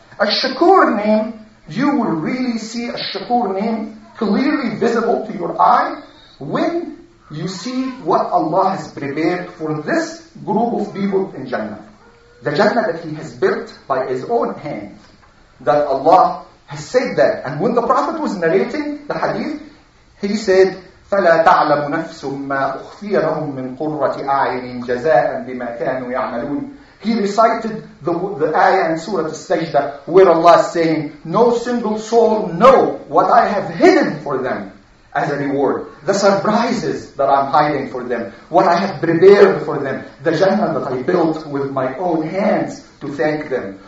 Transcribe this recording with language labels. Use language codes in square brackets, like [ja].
[en] A Shakur name, you will really see a Shakur name clearly visible to your eye when you see what Allah has prepared for this group of people in Jannah. The Jannah that He has built by His own hand, that Allah has said that. And when the Prophet was narrating the hadith, he said, [ar] فَلَا تَعْلَمُ نَفْسٌ مَا أُخْفِيَ لَهُمْ مِنْ قُرَّةِ أَعْيُنٍ جَزَاءً بِمَا كَانُوا يَعْمَلُونَ. [en] He recited the ayah in Surah Al-Sajdah where Allah is saying, no single soul know what I have hidden for them as a reward. The surprises that I'm hiding for them. What I have prepared for them. The Jannah that I built with my own hands to thank them.